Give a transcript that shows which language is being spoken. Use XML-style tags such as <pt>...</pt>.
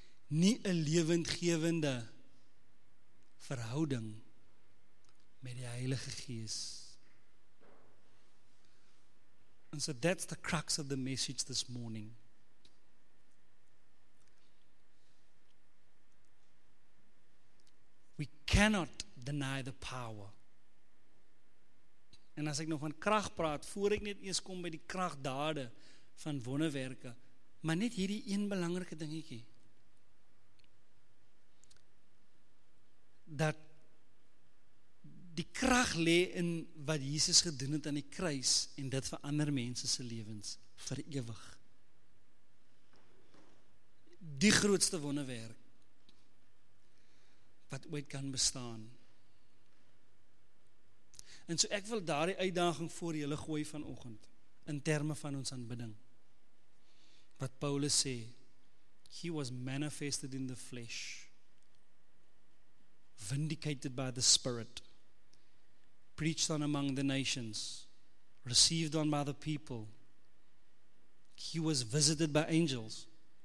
<af>Nie 'n lewendgewende verhouding met die Heilige Gees.</af> <en>And so that's the crux of the message this morning. We cannot deny the power.</en> <af>En as ek nou van krag praat, voor ek net eers kom by die kragdade van wonderwerke, maar net hierdie een belangrike dingetjie. Dat die krag lê in wat Jesus gedoen het aan die kruis en dit verander mense se lewens vir ewig. Die grootste wonderwerk wat ooit kan bestaan. En so ek wil daardie uitdaging voor julle gooi vanoggend in terme van ons aanbidding. Wat Paulus sê,</af> <en>he was manifested in the flesh, vindicated by the Spirit, preached on among the nations, received on by the people. He was visited by angels.</en>